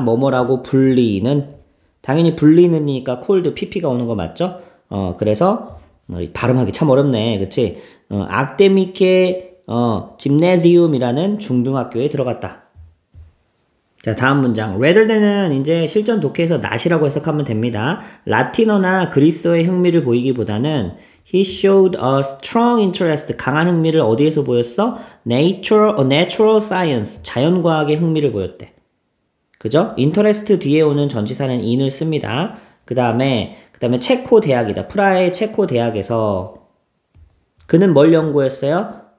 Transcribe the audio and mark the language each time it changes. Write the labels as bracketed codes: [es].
[ko] 뭐뭐라고 불리는? 당연히 불리는이니까 cold pp가 오는 거 맞죠? 그래서 발음하기 참 어렵네, 그치? 아크데미케 짐네지움이라는 중등학교에 들어갔다. 자, 다음 문장. rather than은 이제 실전 독해에서 not이라고 해석하면 됩니다. 라틴어나 그리스어의 흥미를 보이기보다는 [en] He showed a strong interest. [ko] 강한 흥미를 어디에서 보였어? [en] Natural science. [ko] 자연과학의 흥미를 보였대. 그죠? Interest 뒤에 오는 전치사는 in을 씁니다. 그 다음에 체코 대학이다. 프라하의 체코 대학에서. 그는 뭘 연구했어요?